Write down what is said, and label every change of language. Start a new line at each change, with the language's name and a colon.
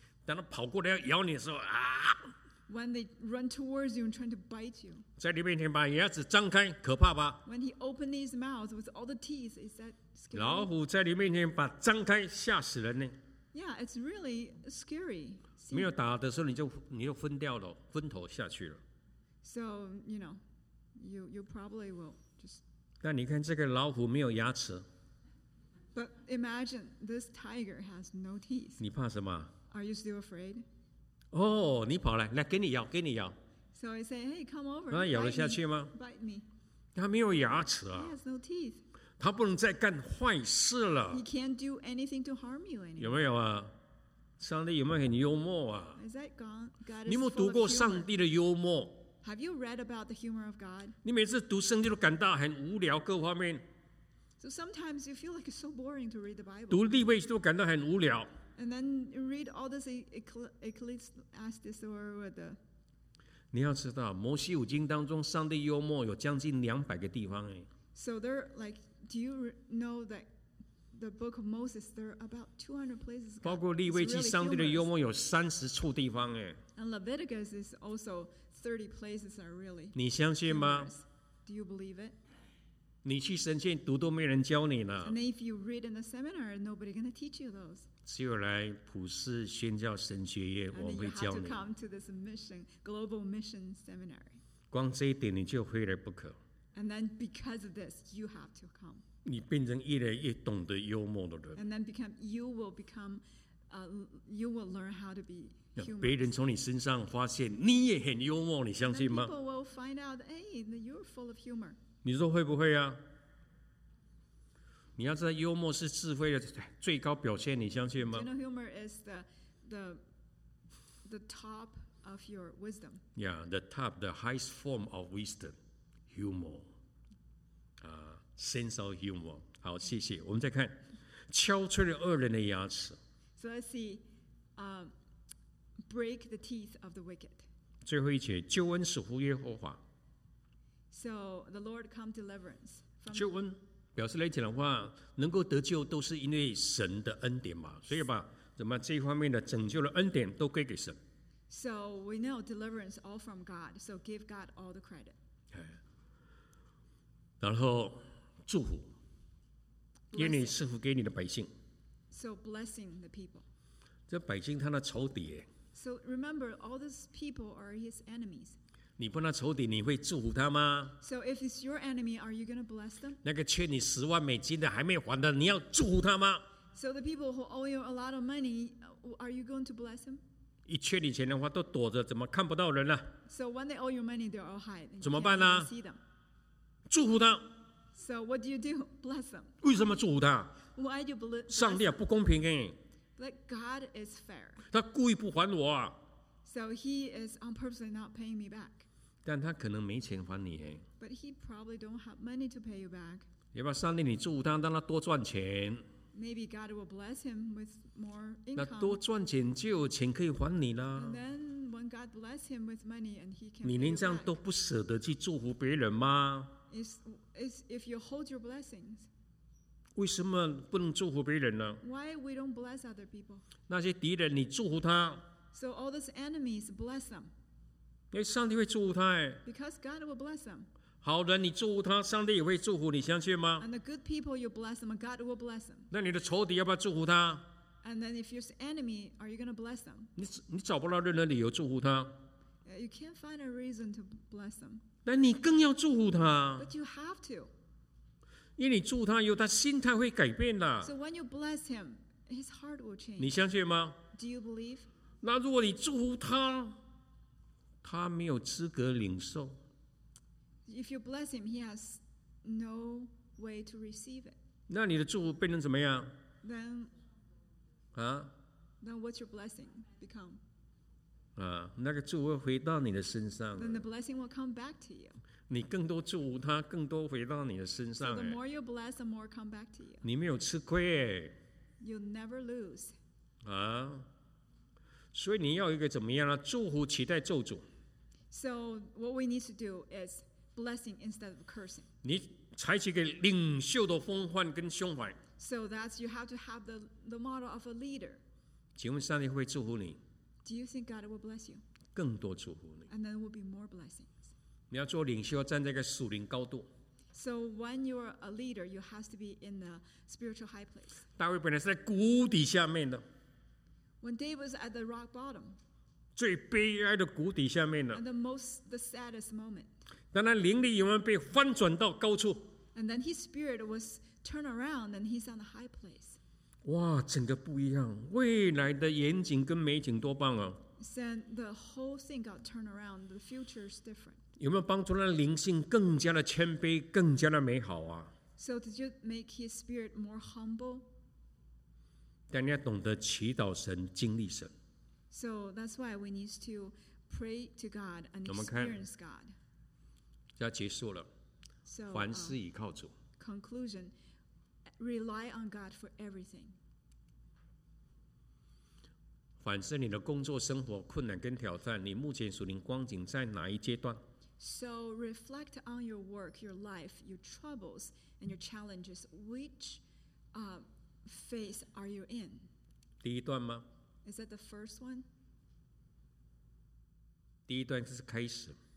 Chinese: 当他跑过来要咬你的时候，啊
English: ！When they run towards you and trying to bite you.
Chinese: 在你面前把牙齿张开，可怕吧
English: ？When he opened his mouth with all the teeth, is that scary?
Chinese: 老虎在你面前把张开，吓死人呢。
English: Yeah, it's really scary.
Chinese: 没有打的时候，你就昏掉了，昏头下去了。
English: So you know. You probably will just.
Chinese: 那你看这个老虎没有牙齿。
English: But imagine this tiger has no teeth.
Chinese: 你怕什么
English: ？Are you still afraid?
Chinese: 哦，你跑来，来给你咬，给你咬。
English: So I say, hey, come over.
Chinese: 那咬得下去吗
English: ？Bite me.
Chinese: 他没有牙齿啊。
English: He has no teeth.
Chinese: 他不能再干坏事了。
English: He can't do anything to harm you anymore.
Chinese: 有没有啊？上帝有没有很幽默啊
English: ？Is that God? God is.
Chinese: 你有没有读过上帝的幽默？
English: Have you read about the humor of God?
Chinese: 你每次读圣经都感到很无聊，各方面。
English: So sometimes you feel like it's so boring to read the Bible.
Chinese: 读立位都感到很无聊。
English: And then read all this Ecclesiastes or the.
Chinese: 你要知道，摩西五经当中，上帝幽默有将近200个地方哎。
English: So there, like, do you know that the book of Moses? There are about 200 places.
Chinese: 包括利未记，上帝的幽默有30处地方哎。
English: And Leviticus is also 30 places are really.
Chinese: 你相信吗
English: ？Do you believe it？
Chinese: 你去神学院读都没人教你呢。
English: And if you read in the seminar, nobody gonna teach you those.
Chinese: 只有来普世宣教神学院，我会教你。
English: And you have to come to this mission, global mission seminary.
Chinese: 光这一点你就非来不可。
English: And then because of this, you have to come.
Chinese: 你变成越来越懂得幽默的人。
English: And then become, you will become, you will learn how to be humorous.
Chinese: 别人从你身上发现你也很幽默，你相信吗
English: ？And people will find out, hey, you're full of humor.
Chinese: 你说会不会啊？你要知道，幽默是智慧的最高表现，你相信吗
English: ？General humor is the top of your wisdom. Yeah, the top, the highest form of wisdom, humor. Sense of humor.
Chinese: 好，谢谢。我们再看，敲碎了恶人的牙齿。
English: So let's see, break the teeth of the wicked.
Chinese: 最后一节，救恩属乎耶和华。
English: So the Lord come deliverance.
Chinese: 救恩表示来讲的话，能够得救都是因为神的恩典嘛，所以把怎么这方面的拯救的恩典都归给神。
English: So we know deliverance all from God. So give God all the credit.
Chinese: 然后祝福，愿你赐福给你的百姓。
English: So blessing the people.
Chinese: 这百姓他的仇敌。
English: So remember, all these people are his enemies.
Chinese: 你碰到仇敌，你会祝福他吗
English: ？So if it's your enemy, are you going to bless them?
Chinese: 那个欠你$100,000的还没还的，你要祝福他吗
English: ？So the people who owe you a lot of money, are you going to bless them?
Chinese: 一欠你钱的话，都躲着，怎么看不到人呢
English: ？So when they owe you money, they're all hide.
Chinese: 怎么办呢
English: ？See them.
Chinese: 祝福他。
English: So what do you do? Bless them.
Chinese: 为什么祝福他
English: ？Why do you bless?
Chinese: 上帝啊，不公平哎
English: ！Like God is fair.
Chinese: 他故意不还我啊
English: ！So he is on purpose not paying me back.
Chinese: 但他可能没钱还你耶。
English: But he probably don't have money to pay you back.
Chinese: 要不要上帝你祝福他，让他多赚钱。
English: Maybe God will bless him with more income.
Chinese: 那多赚钱就有钱可以还你啦。
English: And then when God bless him with money and he can.
Chinese: 你连这样都不舍得去祝福别人吗
English: ？Is if you hold your blessings.
Chinese: 为什么不能祝福别人呢
English: ？Why we don't bless other people?
Chinese: 那些敌人你祝福他。
English: So all those enemies bless them.
Chinese: 因为上帝会祝福他
English: Because God will bless them.
Chinese: 好人你祝福他，上帝也会祝福你，相信吗
English: ？And the good people you bless them, God will bless them.
Chinese: 那你的仇敌要不要祝福他
English: ？And then if your enemy, are you going to bless them?
Chinese: 你找不到任何理由祝福他。
English: You can't find a reason to bless them.
Chinese: 那你更要祝福他。
English: But you have to.
Chinese: 因为你祝他，有他心态会改变的。
English: So when you bless him, his heart will change.
Chinese: 你相信吗
English: ？Do you believe?
Chinese: 那如果你祝福他。他没有资格领受。
English: If you bless him, he has no way to receive it.
Chinese: 那你的祝福变成怎么样
English: ？Then, 啊？Then what's your blessing become?
Chinese: 啊，那个祝福回到你的身上。
English: Then the blessing will come back to you.
Chinese: 你更多祝福他，更多回到你的身上。
English: So the more you bless, the more come back to you.
Chinese: 你没有吃亏。
English: You'll never lose. 啊。
Chinese: 所以你要一个怎么样呢？祝福期待咒诅。
English: So what we need to do is blessing instead of cursing.
Chinese: 你采取一个领袖的风范跟胸怀。
English: So that's you have to have the model of a leader.
Chinese: 请问上帝会祝福你
English: ？Do you think God will bless you?
Chinese: 更多祝福你。
English: And there will be more blessings.
Chinese: 你要做领袖，站在一个属灵高度。
English: So when you're a leader, you have to be in the spiritual high place.
Chinese: 大卫本来是在谷底下面的。
English: When David was at the rock bottom,
Chinese: 最悲哀的谷底下面呢
English: ，and the saddest moment.
Chinese: 当他灵里有人被翻转到高处
English: ，and then his spirit was turned around and he's on the high place.
Chinese: 哇，整个不一样，未来的远景跟美景多棒啊
English: ！Then the whole thing got turned around. The future is different.
Chinese: 有没有帮助他灵性更加的谦卑，更加的美好啊
English: ？So did you make his spirit more humble?
Chinese: 但你要懂得祈祷神，经历神。
English: So that's why we need to pray to God and experience God.
Chinese: 要结束了。
English: So,
Chinese: 凡事倚靠主。
English: Conclusion: Rely on God for everything.
Chinese: 反思你的工作生活困难跟挑战，你目前属灵光景在哪一阶段？
English: So reflect on your work, your life, your troubles and your challenges. Which phase are you in?
Chinese: 第一段吗？
English: Is that the first one?
Chinese: 第一段就是开始。